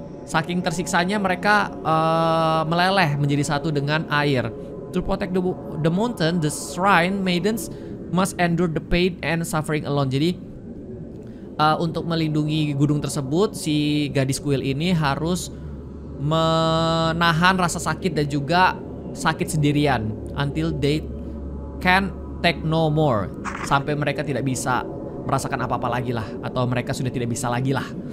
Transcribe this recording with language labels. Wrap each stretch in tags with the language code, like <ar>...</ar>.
<id>Saking tersiksanya mereka meleleh menjadi satu dengan air.</id> <en>To protect the mountain, the shrine maidens must endure the pain and suffering alone.</en> <id>Jadi untuk melindungi gunung tersebut, si gadis kuil ini harus menahan rasa sakit dan juga sakit sendirian</id> <en>until they can take no more.</en> <id>Sampai mereka tidak bisa merasakan apa-apa lagi lah, atau mereka sudah tidak bisa lagi lah.</id>